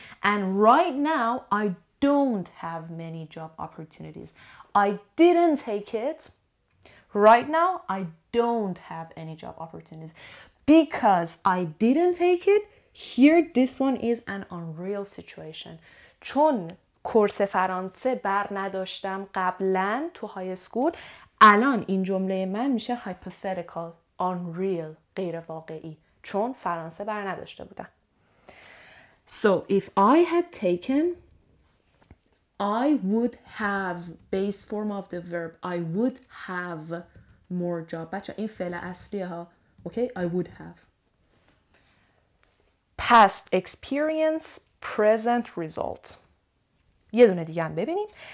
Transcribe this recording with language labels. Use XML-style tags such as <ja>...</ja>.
<en>And right now, I don't have many job opportunities. I didn't take it. Right now, I don't have any job opportunities. Because I didn't take it, here, this one is an unreal situation.</en> <fa>چون کورس فرانسه بر نداشتم قبلن تو های سکول، الان این جمله من میشه</fa> <en>hypothetical, unreal,</en> <fa>غیر واقعی. چون فرانسه بر نداشته بودم.</fa> <en>So, if I had taken, I would have, base form of the verb, I would have more job.</en> <fa>بچه این فعل اصلیه ها.</fa> <en>Okay, I would have. Past experience, present result.</en> <fa>یه دونه دیگه هم ببینیم.</fa>